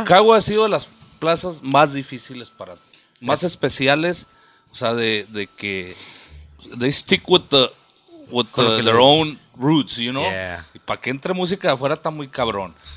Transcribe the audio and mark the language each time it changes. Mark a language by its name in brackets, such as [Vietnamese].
[Spanish] Chicago ha sido de las plazas más difíciles para ti. Más especiales. O sea, de que [English] they stick with their own roots, you know. Yeah. [Spanish] Y para que entre música de afuera está muy cabrón.